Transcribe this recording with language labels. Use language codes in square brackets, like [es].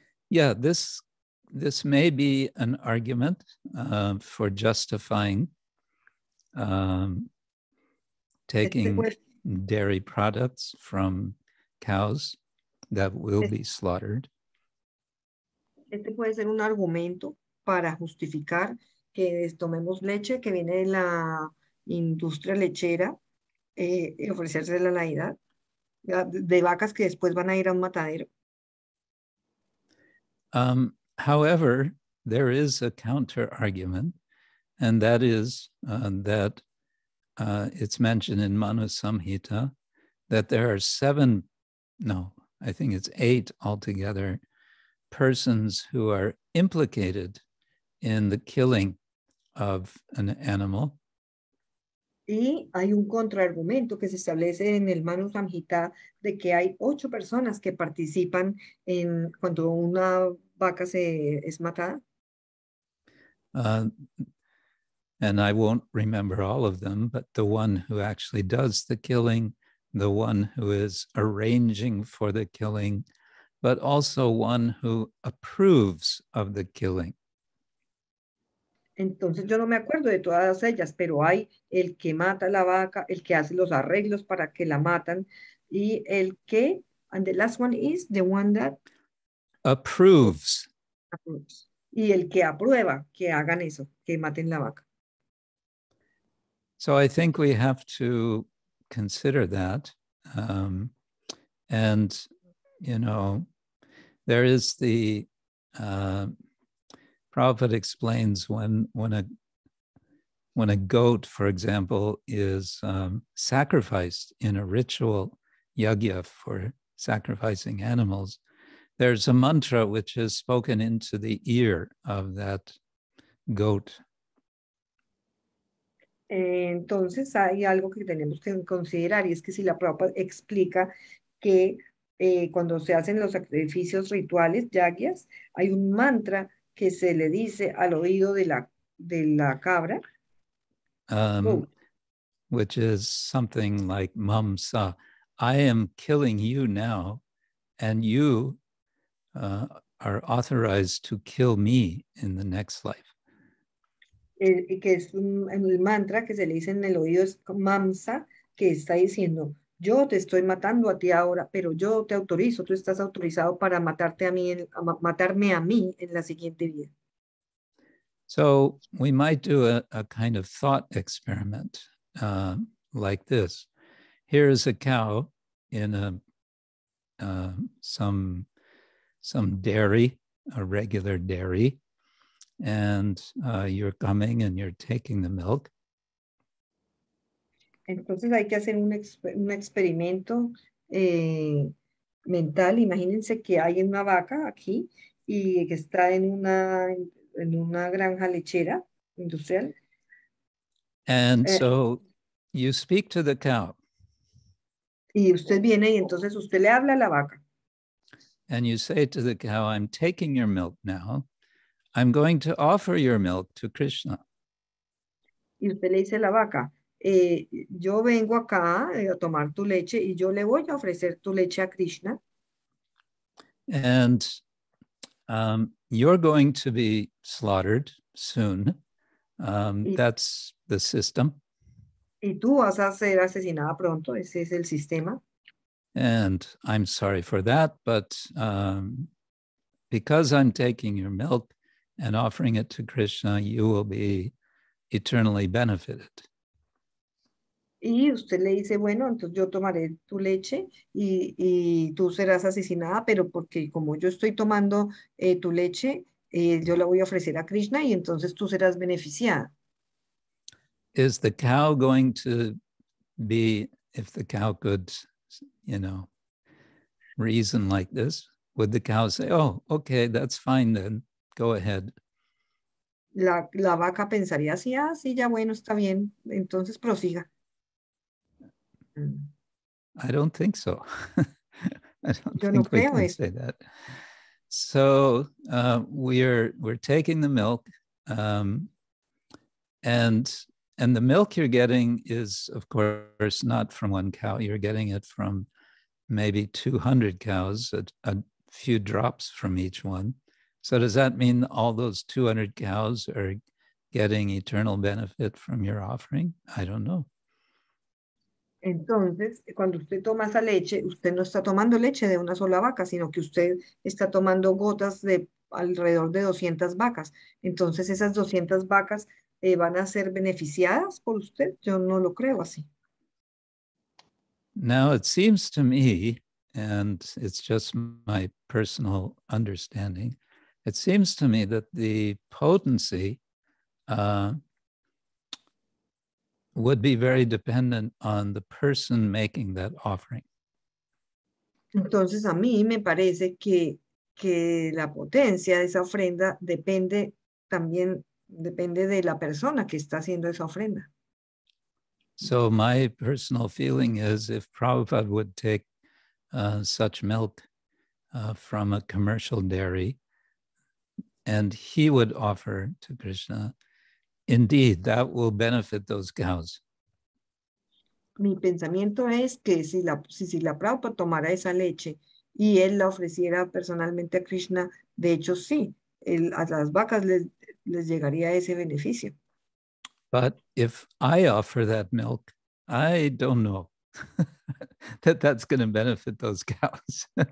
[en] Yeah, this may be an argument for justifying taking dairy products from cows that will be slaughtered. [es] Este puede ser un argumento para justificar que tomemos leche que viene de la industria lechera y ofrecérsela a la deidad de vacas que después van a ir a un matadero. [en] However, there is a counter argument, and that is it's mentioned in Manu Samhita that there are eight altogether persons who are implicated in the killing of an animal. [es] Y hay un contraargumento que se establece en el Manu Samhita de que hay ocho personas que participan en cuando una vaca se es matada. [en] And I won't remember all of them, but the one who actually does the killing, the one who is arranging for the killing, but also one who approves of the killing. [es] Entonces yo no me acuerdo de todas ellas, pero hay el que mata la vaca, el que hace los arreglos para que la matan, y el que, [en] and the last one is the one that approves. [es] Y el que aprueba que hagan eso, que maten la vaca. [en] So I think we have to consider that. And, you know, there is the... Prabhupada explains when a goat, for example, is sacrificed in a ritual yajna for sacrificing animals, there's a mantra which is spoken into the ear of that goat. [es] Entonces hay algo que tenemos que considerar y es que si la Prabhupada explica que cuando se hacen los sacrificios rituales yajnas hay un mantra que se le dice al oído de la cabra. [en] Which is something like Mamsa. I am killing you now, and you are authorized to kill me in the next life. [es] Que es el mantra que se le dice en el oído es Mamsa, que está diciendo, yo te estoy matando a ti ahora, pero yo te autorizo, tú estás autorizado para matarme a mí en la siguiente vida. [en] So we might do a kind of thought experiment like this. Here is a cow in some dairy a regular dairy, and you're coming and you're taking the milk. [es] Entonces hay que hacer un experimento mental. Imagínense que hay una vaca aquí y que está en una granja lechera industrial. [en] And so you speak to the cow. [es] Y usted viene y entonces usted le habla a la vaca. [en] And you say to the cow, I'm taking your milk now. I'm going to offer your milk to Krishna. [es] Y usted le dice a la vaca, yo vengo acá a tomar tu leche y yo le voy a ofrecer tu leche a Krishna. [en] And you're going to be slaughtered soon. That's the system. [es] Y tú vas a ser asesinada pronto. Ese es el sistema. [en] And I'm sorry for that, but because I'm taking your milk and offering it to Krishna, you will be eternally benefited. [es] Y usted le dice, bueno, entonces yo tomaré tu leche y tú serás asesinada, pero porque como yo estoy tomando tu leche, yo la voy a ofrecer a Krishna y entonces tú serás beneficiada. [en] Is the cow going to be, if the cow could, you know, reason like this, would the cow say, oh, okay, that's fine then, go ahead? [es] La vaca pensaría así, ah, sí, ya bueno, está bien, entonces prosiga. [en] I don't think so. I don't [es] Yo [en] think [es] no [en] we [es] creo [en] can [es] eso. [en] Say that. So we're taking the milk, and the milk you're getting is, of course, not from one cow. You're getting it from maybe 200 cows, a few drops from each one. So does that mean all those 200 cows are getting eternal benefit from your offering? I don't know. [es] Entonces, cuando usted toma esa leche, usted no está tomando leche de una sola vaca, sino que usted está tomando gotas de alrededor de 200 vacas. Entonces, esas 200 vacas van a ser beneficiadas por usted. Yo no lo creo así. [en] Now, it seems to me, and it's just my personal understanding, it seems to me that the potency would be very dependent on the person making that offering. [es] Entonces, a mí me parece que la potencia de esa ofrenda depende también, depende de la persona que está haciendo esa ofrenda. [en] So my personal feeling is if Prabhupada would take such milk from a commercial dairy and he would offer to Krishna, indeed, that will benefit those cows. [es] Mi pensamiento es que si la Prabhupada tomara esa leche y él la ofreciera personalmente a Krishna, de hecho sí, a las vacas les llegaría ese beneficio. [en] But if I offer that milk, I don't know that that's going to benefit those cows.